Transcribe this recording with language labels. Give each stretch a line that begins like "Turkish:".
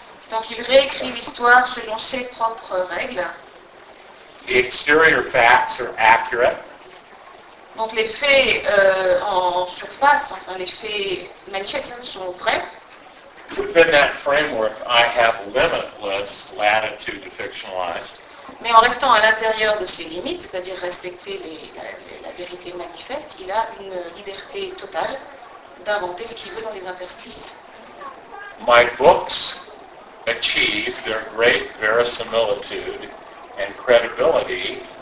French: Donc il réécrit l'histoire selon ses propres règles.
English: The exterior facts are accurate.
French: Donc les faits en surface, enfin les faits manifestes sont vrais.
English: Within that framework, I have limitless latitude to fictionalize.
French: Mais en restant à l'intérieur de ses limites, c'est-à-dire respecter la vérité manifeste, il a une liberté totale. D'inventer ce qu'il veut dans les interstices.
English: My books achieve their great verisimilitude and credibility.